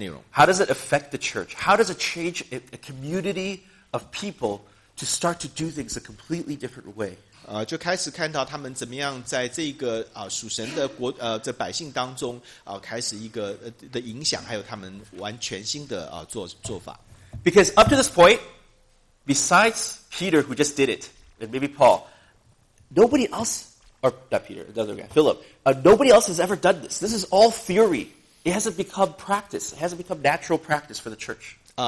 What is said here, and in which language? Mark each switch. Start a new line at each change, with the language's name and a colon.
English: How does it affect the church? How does it change a community of people to start to do things a completely different way?
Chinese: 就开始看到他们怎么样在这个属神的国这百姓当中开始一个的影响，还有他们完全新的做法。
English: Because up to this point, besides Peter who just did it, and maybe Paul, nobody else. Or not Peter, another guy, Philip. Nobody else has ever done this. This is all theory. It hasn't become practice. It hasn't become natural practice for the church.